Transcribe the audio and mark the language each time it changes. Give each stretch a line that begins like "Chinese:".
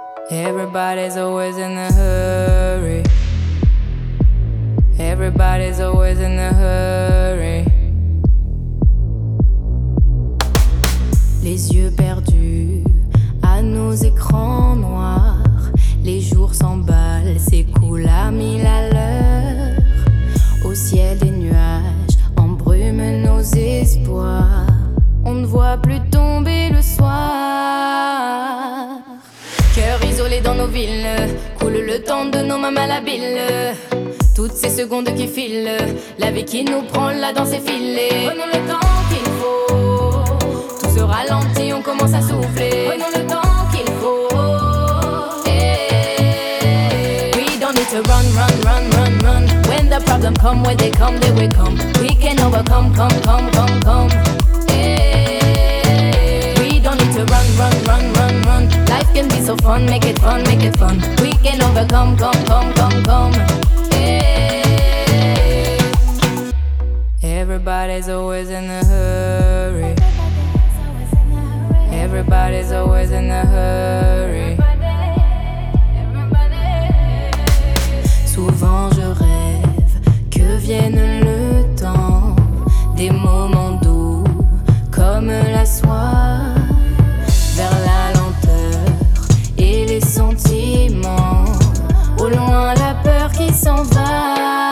English: Everybody's always in a hurry. Everybody's always in a hurry.
French: Les yeux perdus à nos écrans noirs. Les jours s'emballent, s'écoulent à mille à l'heure. Au ciel des nuages embrument nos espoirs. On ne voit plus tomber le soir. Cœur isolé dans nos villes, coule le temps de nos mains malhabiles. Toutes ces secondes qui filent, la vie qui nous prend la danse est filée. Prenons le temps qu'il faut, tout se ralentit, on commence à souffler. Prenons le temps qu'il faut, hey.
English: We don't need to run, run, run, run, run. When the problem come, when they come, they will come. We can overcome, come, come, come, come, hey. We don't need to run, run, run, run, run. Life can be so fun, make it fun, make it fun. We can overcome, come, come, come, come. Everybody's always in a hurry. Everybody's always in a hurry.
French: Souvent je rêve que vienne le temps des moments doux comme la soie vers la lenteur et les sentiments au loin la peur qui s'en va.